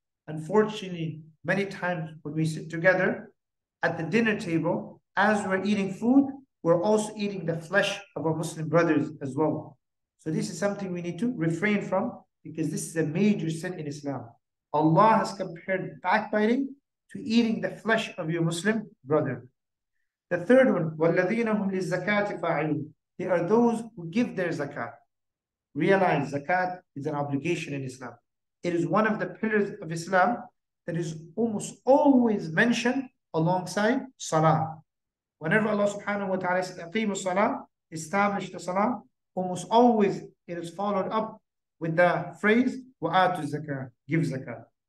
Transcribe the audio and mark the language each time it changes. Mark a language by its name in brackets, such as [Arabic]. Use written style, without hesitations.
[English] Unfortunately, many times when we sit together at the dinner table, as we're eating food, we're also eating the flesh of our Muslim brothers as well. So this is something we need to refrain from, because this is a major sin in Islam. Allah has compared backbiting to eating the flesh of your Muslim brother. The third one, [Arabic] وَالَّذِينَ هُمْ لِلزَّكَاةِ فَاعِلُونَ. [English] They are those who give their zakat. Realize zakat is an obligation in Islam. It is one of the pillars of Islam that is almost always mentioned alongside salah. Whenever Allah subhanahu wa ta'ala says, [Arabic] أَقِيمُ الصَّلَاةَ, [English] establish the salah, almost always it is followed up with the phrase, [Arabic] وَآتُ الزَّكَاةَ, [English] give zakat.